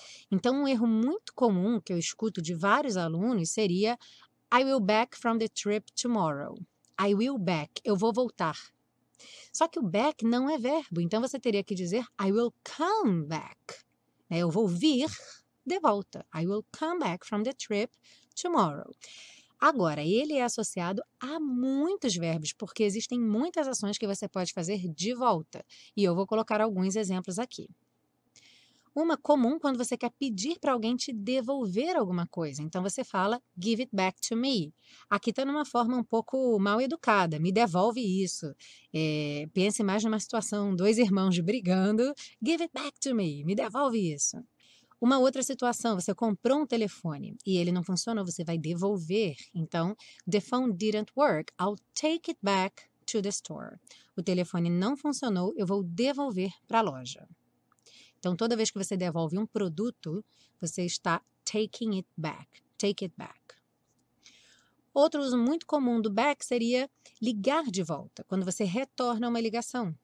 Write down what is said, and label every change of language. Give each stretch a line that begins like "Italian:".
Portuguese: Então, um erro muito comum que eu escuto de vários alunos seria:
English: I will back from the trip tomorrow. I will back.
Portuguese: Eu vou voltar. Só que o back não é verbo. Então, você teria que dizer:
English: I will come back.
Portuguese: Eu vou vir de volta.
English: I will come back from the trip tomorrow.
Portuguese: Agora, ele é associado a muitos verbos, porque existem muitas ações que você pode fazer de volta. E eu vou colocar alguns exemplos aqui. Uma comum quando você quer pedir para alguém te devolver alguma coisa. Então você fala,
English: give it back to me.
Portuguese: Aqui está numa forma um pouco mal educada, me devolve isso. É, pense mais numa situação, dois irmãos brigando,
English: give it back to me,
Portuguese: me devolve isso. Uma outra situação, você comprou um telefone e ele não funcionou, você vai devolver. Então,
English: the phone didn't work, I'll take it back to the store.
Portuguese: O telefone não funcionou, eu vou devolver para a loja. Então, toda vez que você devolve um produto, você está
English: taking it back. Take it back.
Portuguese: Outro uso muito comum do back seria ligar de volta, quando você retorna uma ligação.